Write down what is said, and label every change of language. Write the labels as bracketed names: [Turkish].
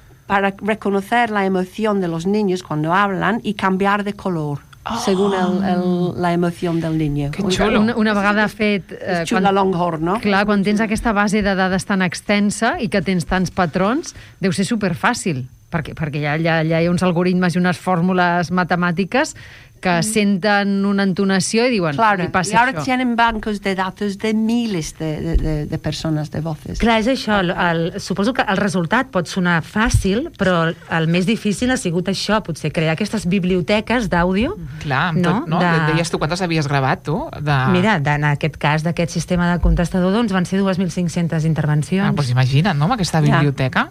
[Spanish] Para reconocer la emoción de los niños cuando hablan y cambiar de color. Según la emoción del niño. [Catalan] Que xulo. Una vegada fet... És xula Longhorn, no? Clar, quan tens aquesta base de dades tan extensa i que tens tants patrons, deu ser superfàcil, perquè allà hi ha uns algoritmes i unes fórmules matemàtiques que senten una entonació i diuen, [Spanish] claro, [Catalan] li passa això. [Spanish] Claro, y ahora tienen bancos de datos de miles de persones, de voces. [Catalan] Clar, és això. Suposo que el resultat pot sonar fàcil, però el més difícil ha sigut això, potser, crear aquestes biblioteques d'àudio. Clar, no? Deies tu quantes havies gravat, tu? Mira, en aquest cas, d'aquest sistema de contestador, doncs van ser 2.500 intervencions. Ah, doncs imagina't, no?, amb aquesta biblioteca.